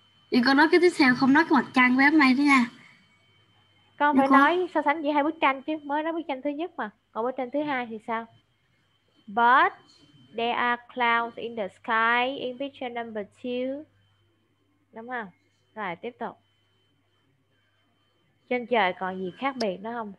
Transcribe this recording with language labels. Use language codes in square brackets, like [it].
[vi] Đi con nói cái tiếp theo, không nói cái mặt trăng với mây nữa nha. con Đi phải cô. nói so sánh giữa 2 bức tranh chứ, mới nói bức tranh thứ nhất mà. Còn bức tranh thứ hai thì sao? [en] But there are clouds in the sky in picture number two. [vi] Đúng không? Rồi tiếp tục. Trên trời còn gì khác biệt nữa không?